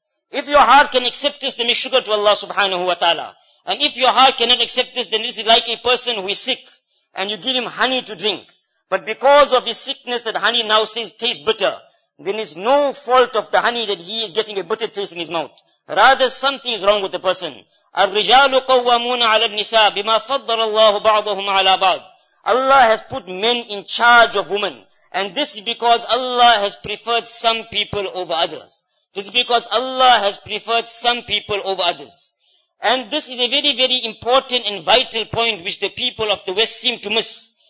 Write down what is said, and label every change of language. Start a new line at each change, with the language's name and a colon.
English: If your heart can accept this, then make shukr to Allah subhanahu wa ta'ala. And if your heart cannot accept this, then this is like a person who is sick and you give him honey to drink. But because of his sickness, that honey now says tastes bitter. Then it's no fault of the honey that he is getting a bitter taste in his mouth. Rather, something is wrong with the person.
Arabic: الرجال قوامون على النساء بما فضل الله بعضهم على بعض.
English: Allah has put men in charge of women. And this is because Allah has preferred some people over others. This is because Allah has preferred some people over others. And this is a very, very important and vital point which the people of the West seem to miss.